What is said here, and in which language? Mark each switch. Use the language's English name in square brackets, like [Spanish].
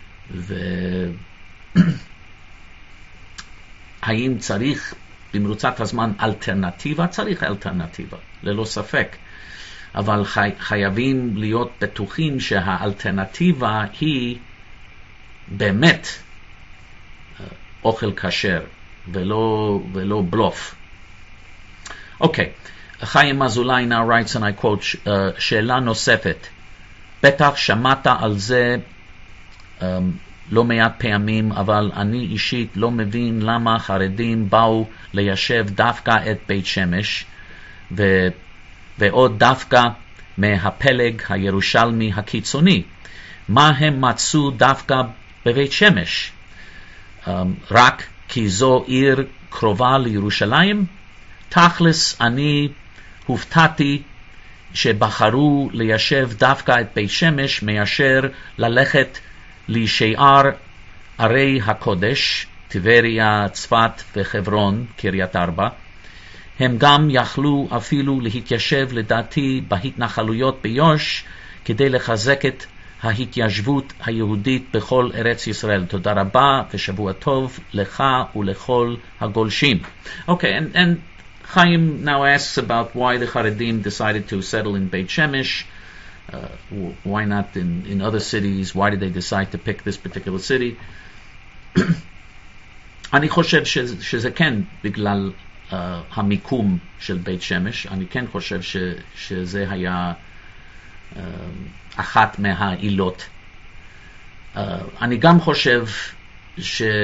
[Hebrew] והאם צריך במרוצת הזמן אלטרנטיבה? צריך אלטרנטיבה, ללא ספק. אבל חייבים להיות בטוחים שהאלטרנטיבה היא באמת אוכל כשר, ולא בלוף. [English] אוקיי, חיים אזולאי now writes, and I quote, [Hebrew] שאלה נוספת. בטח שמעת על זה לא מעט פעמים, אבל אני אישית לא מבין למה חרדים באו ליישב דווקא את בית שמש ועוד דווקא מהפלג הירושלמי הקיצוני. מה הם מצאו דווקא בבית שמש? רק כי זו עיר קרובה לירושלים? תכלס אני הופתעתי שבחרו ליישב דווקא את בית שמש מאשר ללכת לשאר ערי הקודש, טבריה, צפת וחברון, קריית ארבע. הם גם יכלו אפילו להתיישב לדעתי בהתנחלויות ביוש, כדי לחזק את ההתיישבות היהודית בכל ארץ ישראל. תודה רבה ושבוע טוב לך ולכל הגולשים. [English] Okay, and Chaim now asks about why the Haredim decided to settle in Beit Shemesh. Why not in other cities? Why did they decide to pick this particular city? [Hebrew] אני חושב שזה כן בגלל המיקום של בית שמש. אני כן חושב שזה היה אחת מהעילות. אני גם חושב ש...